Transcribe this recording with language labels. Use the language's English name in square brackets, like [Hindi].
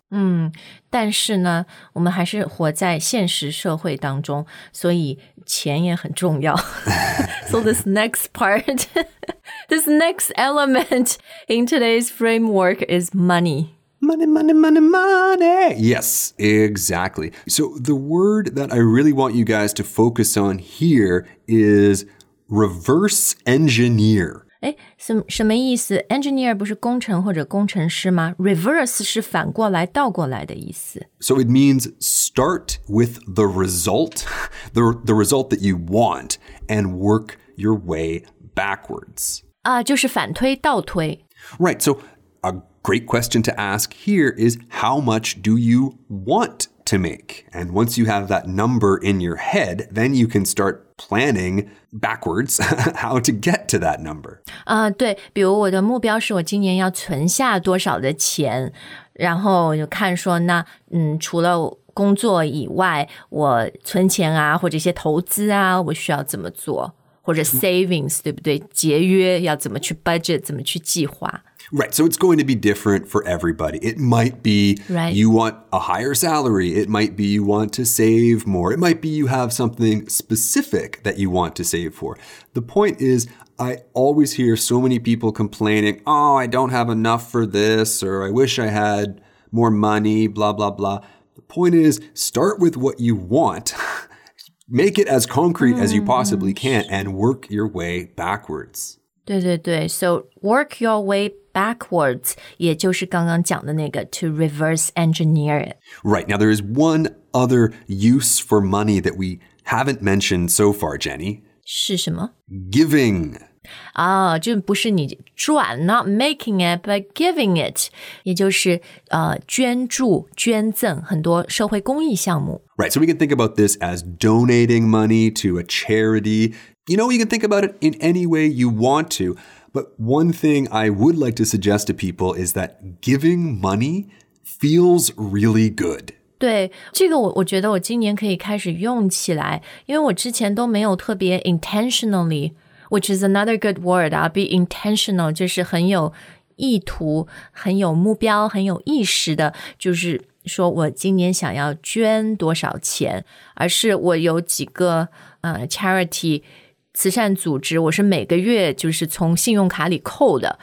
[Chinese] 嗯，但是呢，我们还是活在现实社会当中，所以钱也很重要。 [English] So this next part, this next element in today's framework is money. Money, money, money, money. Yes, exactly. So the word that I really want you guys to focus on here is reverse engineer. [Chinese] 什么意思 ？Engineer 不是工程或者工程师吗 ？Reverse 是反过来、倒过来的意思。 [English] So it means start with the result, the result that you want, and work your way backwards. [Chinese] 就是反推、倒推。 [English] Right. So a great question to ask here is how much do you want to make? And once you have that number in your head, then you can start planning backwards how to get to that number. [Chinese] 对，比如我的目标是我今年要存下多少的钱，然后就看说那，除了工作以外，我存钱啊，或者一些投资啊，我需要怎么做，或者 savings, 对不对？节约要怎么去 budget, 怎么去计划。 [English] Right. So it's going to be different for everybody. It might be you want a higher salary. It might be you want to save more. It might be you have something specific that you want to save for. The point is, I always hear so many people complaining, oh, I don't have enough for this, or I wish I had more money, blah, blah, blah. The point is, start with what you want. Make it as concrete as you possibly can and work your way backwards. [Chinese] 对对对 [English] So work your way backwards, [Chinese] 也就是刚刚讲的那个 [English] to reverse engineer it. Right. Now, there is one other use for money that we haven't mentioned so far, Jenny. [Chinese] 是什么 [English] Giving. [Chinese] 啊、oh, 就不是你赚 [English] not making it, but giving it. [Chinese] 也就是、捐助捐赠很多社会公益项目。 [English] Right, so we can think about this as donating money to a charity. You know, you can think about it in any way you want to. But one thing I would like to suggest to people is that giving money feels really good. [Chinese] 对，这个我觉得我今年可以开始用起来，因为我之前都没有特别 intentionally, [English] which is another good word, be intentional, [Chinese] 就是很有意图，很有目标，很有意识的，就是说我今年想要捐多少钱，而是我有几个charity 慈善组织，我是每个月就是从信用卡里扣的。